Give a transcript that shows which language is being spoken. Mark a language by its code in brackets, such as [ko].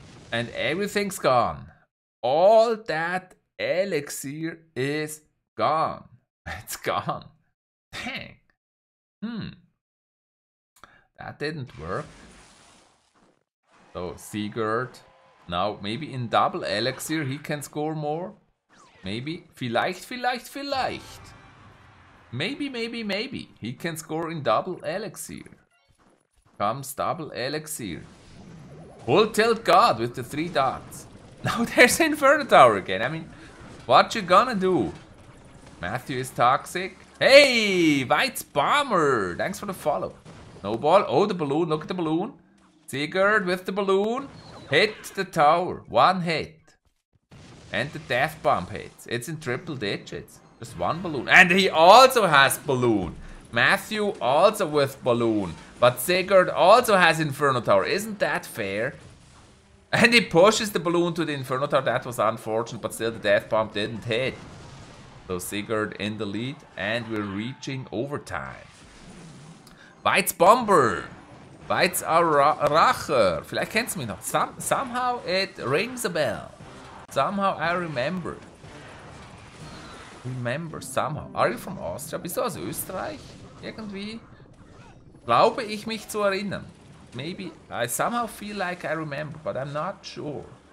[en] And everything's gone. All that Elixir is gone. It's gone. Dang. That didn't work. So Sigurd. Now, maybe in double elixir he can score more. Maybe. [de] Vielleicht, vielleicht, vielleicht. [en] Maybe, maybe, maybe. He can score in double elixir. Comes double elixir. Full tilt god with the three dots. Now there's Inferno Tower again. I mean, what you gonna do? Matthew is toxic. Hey, White Bomber. Thanks for the follow. Snowball. Oh, the balloon. Look at the balloon. Sigurd with the balloon. Hit the tower. One hit. And the death bomb hits. It's in triple digits. Just one balloon. And he also has balloon. Matthew also with balloon. But Sigurd also has Inferno Tower. Isn't that fair? And he pushes the balloon to the Inferno Tower. That was unfortunate. But still the death bomb didn't hit. So Sigurd in the lead. And we're reaching overtime. White Bomber. Weitz Aracher. [de] Vielleicht kennst du mich noch. [en] Somehow it rings a bell. Somehow I remember. Remember somehow. Are you from Austria? [de] Bist du aus Österreich? Irgendwie? Glaube ich mich zu erinnern. [en] Maybe I somehow feel like I remember, but I'm not sure.